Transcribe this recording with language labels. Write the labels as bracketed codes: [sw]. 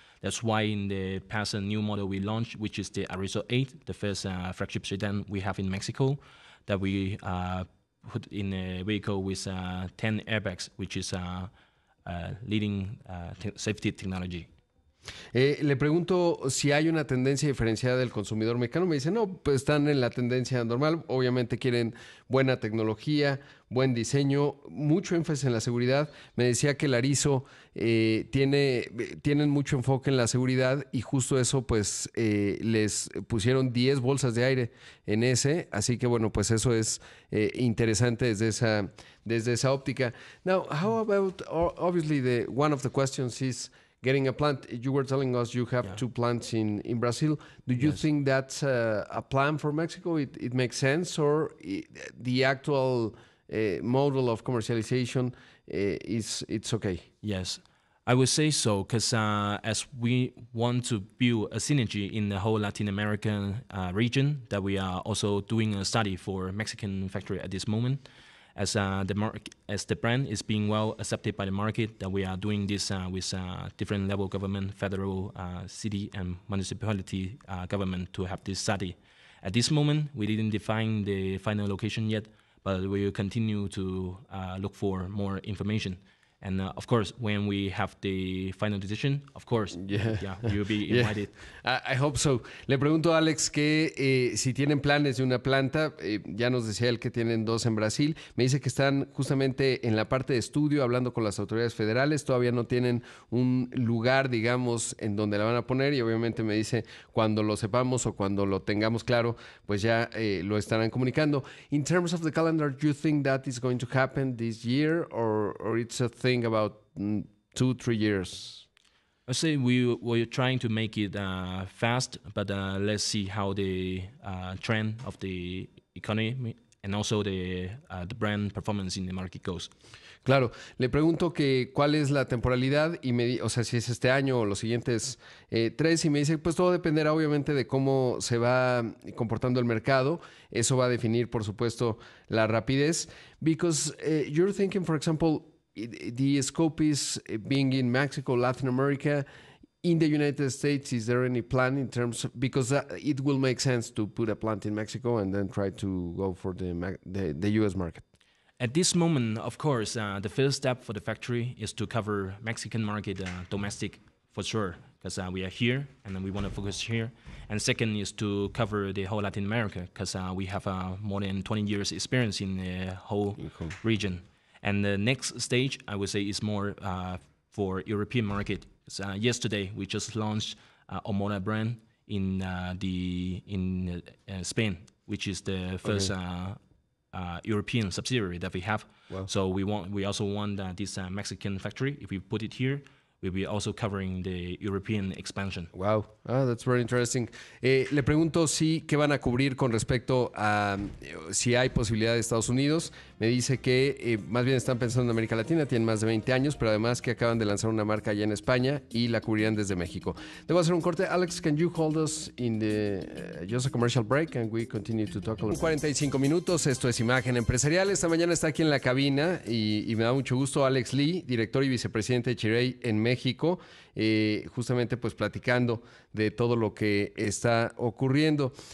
[en] That's why in the past a new model we launched, which is the Arizo 8, the first flagship sedan we have in Mexico, that we put in a vehicle with 10 airbags, which is leading safety technology. [es] Le pregunto si hay una tendencia diferenciada del consumidor mexicano. Me dice, no, pues están en la tendencia normal. Obviamente quieren buena tecnología, buen diseño, mucho énfasis en la seguridad. Me decía que el Arizo tienen mucho enfoque en la seguridad y justo eso, pues les pusieron 10 bolsas de aire en ese. Así que, bueno, pues eso es interesante desde esa óptica. [en] Now, how about, obviously, one of the questions is, getting a plant. You were telling us you have two plants in Brazil. Do you think that's a plan for Mexico? It makes sense, or the actual model of commercialization it's okay? Yes, I would say so, because as we want to build a synergy in the whole Latin American region, that we are also doing a study for Mexican factory at this moment. As the brand is being well accepted by the market, that we are doing this with different level government, federal, city, and municipality government to have this study. At this moment, we didn't define the final location yet, but we will continue to look for more information. And of course, when we have the final decision, of course, you'll be invited. I hope so. [es] Le pregunto a Alex que si tienen planes de una planta. Ya nos decía él que tienen dos en Brasil. Me dice que están justamente en la parte de estudio hablando con las autoridades federales. Todavía no tienen un lugar, digamos, en donde la van a poner. Y obviamente me dice, cuando lo sepamos o cuando lo tengamos claro, pues ya lo estarán comunicando. [en] In terms of the calendar, do you think that is going to happen this year, or it's a think about 2-3 years? I say we're trying to make it fast, but let's see how the trend of the economy and also the brand performance in the market goes. [es] Claro, le pregunto que cuál es la temporalidad y si es este año o los siguientes tres, y me dice, pues todo dependerá obviamente de cómo se va comportando el mercado. Eso va a definir, por supuesto, la rapidez. [en] Because you're thinking, for example, the scope is being in Mexico, Latin America. In the United States, is there any plan in terms of, because it will make sense to put a plant in Mexico and then try to go for the U.S. market? At this moment, of course, the first step for the factory is to cover Mexican market domestic, for sure, because we are here and we want to focus here. And second is to cover the whole Latin America, because we have more than 20 years experience in the whole region. And the next stage, I would say, is more for European market. So, yesterday, we just launched Omona brand in Spain, which is the first European subsidiary that we have. Wow. So we also want this Mexican factory. If we put it here, we'll be also covering the European expansion. Wow, oh, that's very interesting. [es] Le pregunto si qué van a cubrir con respecto a si hay posibilidad de Estados Unidos. Me dice que más bien están pensando en América Latina, tienen más de 20 años, pero además que acaban de lanzar una marca allá en España y la cubrirán desde México. Debo hacer un corte. [en] Alex, can you hold us in the just a commercial break and we continue to talk a little? [es] 45 minutos, esto es Imagen Empresarial. Esta mañana está aquí en la cabina y me da mucho gusto Alex Lee, director y vicepresidente de Chirey en México, justamente pues platicando de todo lo que está ocurriendo.